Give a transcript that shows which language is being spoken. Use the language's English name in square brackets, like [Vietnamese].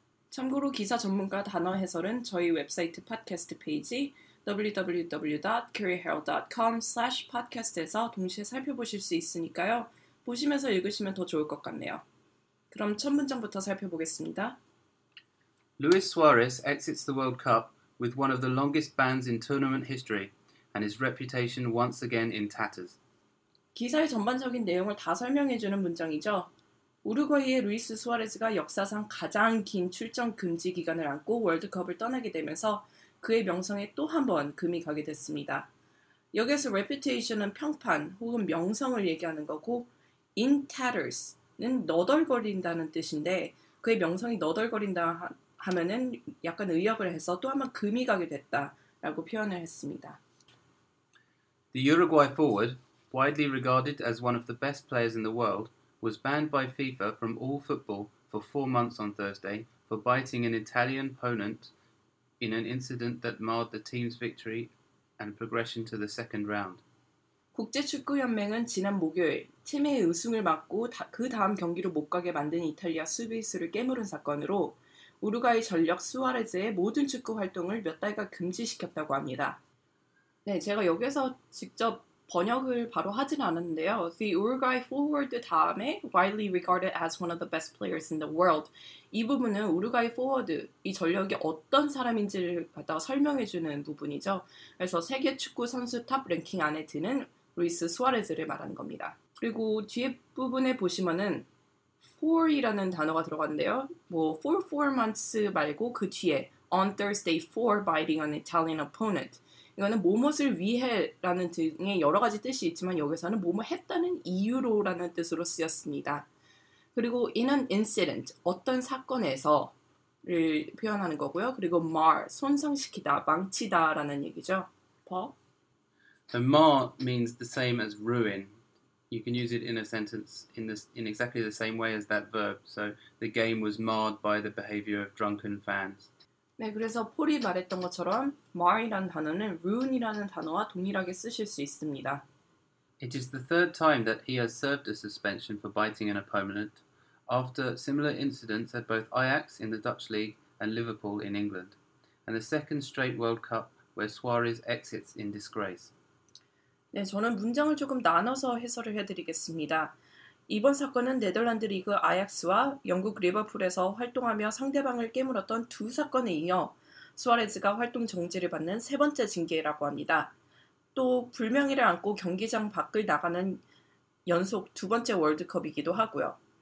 [Korean] 참고로 기사 전문가 단어 해설은 저희 웹사이트 팟캐스트 페이지 www.koreaherald.com/podcast에서 동시에 살펴보실 수 있으니까요. 보시면서 읽으시면 더 좋을 것 같네요. 그럼 첫 문장부터 살펴보겠습니다. [English] Luis Suarez exits the World Cup with one of the longest bans in tournament history. And his reputation once again in tatters. [Korean] 기사의 전반적인 내용을 다 설명해주는 문장이죠. 우루과이의 루이스 수아레즈가 역사상 가장 긴 출전 금지 기간을 안고 월드컵을 떠나게 되면서 그의 명성에 또 한 번 금이 가게 됐습니다. 여기서 reputation은 평판 혹은 명성을 얘기하는 거고 [English] in tatters [Korean] 는 너덜거린다는 뜻인데 그의 명성이 너덜거린다 하면은 약간 의역을 해서 또 한 번 금이 가게 됐다라고 표현을 했습니다. [English] The Uruguay forward, widely regarded as one of the best players in the world, was banned by FIFA from all football for 4 months on Thursday for biting an Italian opponent in an incident that marred the team's victory and progression to the second round. [Korean] 국제축구연맹은 지난 목요일 팀의 우승을 막고 그 다음 경기로 못 가게 만든 이탈리아 수비수를 깨물은 사건으로 우루과이 전력 수아레즈의 모든 축구 활동을 몇 달간 금지시켰다고 합니다. 네, 제가 여기서 직접 번역을 바로 하진 않았는데요. [English] The Uruguay forward [Korean] 다음에 [English] widely regarded as one of the best players in the world. [Korean] 이 부분은 우루과이 포워드, 이 전력이 어떤 사람인지를 갖다가 설명해주는 부분이죠. 그래서 세계 축구 선수 탑 랭킹 안에 드는 루이스 수아레즈를 말하는 겁니다. 그리고 뒤에 부분에 보시면은 4이라는 단어가 들어갔는데요. [English] 뭐 4 months [Korean] 말고 그 뒤에 [English] on Thursday for biting an Italian opponent. [Korean] 이거는 뭐뭐를 위해라는 등의 여러 가지 뜻이 있지만 여기서는 뭐뭐 했다는 이유로라는 뜻으로 쓰였습니다. 그리고 [English] in an incident, [Korean] 어떤 사건에서를 표현하는 거고요. 그리고 mar, 손상시키다, 망치다 라는 얘기죠. [English] And mar means the same as ruin. You can use it in a sentence in exactly the same way as that verb. So the game was marred by the behavior of drunken fans. [Korean] 네, 그래서 폴이 말했던 것처럼 mar이라는 단어는 ruin이라는 단어와 동일하게 쓰실 수 있습니다. [English] It is the third time that he has served a suspension for biting an opponent after similar incidents at both Ajax in the Dutch League and Liverpool in England and the second straight World Cup where Suarez exits in disgrace. [Korean] 네, 저는 문장을 조금 나눠서 해설을 해드리겠습니다. 이번 사건은 네덜란드 리그 아약스와 영국 리버풀에서 활동하며 상대방을 깨물었던 두 사건에 이어 수아레즈가 활동 정지를 받는 세 번째 징계라고 합니다. 또 불명예를 안고 경기장 밖을 나가는 연속 두 번째 월드컵이기도 하고요.